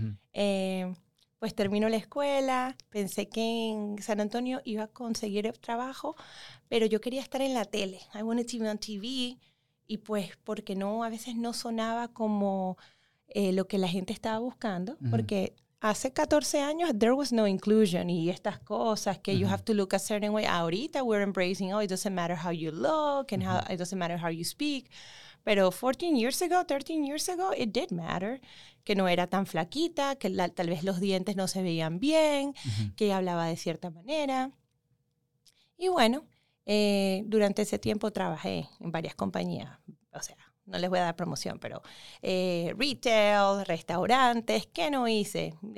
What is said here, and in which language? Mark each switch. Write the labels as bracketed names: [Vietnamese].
[Spanish] Pues termino la escuela, pensé que en San Antonio iba a conseguir el trabajo, pero yo quería estar en la tele, [English] I wanted to be on TV, [Spanish] y pues porque no, a veces no sonaba como lo que la gente estaba buscando, porque... Hace 14 años, [English] there was no inclusion [Spanish] y estas cosas que [English] you have to look a certain way. Ahorita we're embracing, oh, it doesn't matter how you look and how it doesn't matter how you speak. Pero 14 years ago, 13 years ago, it did matter. [Spanish] Que no era tan flaquita, que la, tal vez los dientes no se veían bien, que hablaba de cierta manera. Y bueno, durante ese tiempo trabajé en varias compañías, o sea, no les voy a dar promoción, pero retail, restaurantes, ¿qué no hice?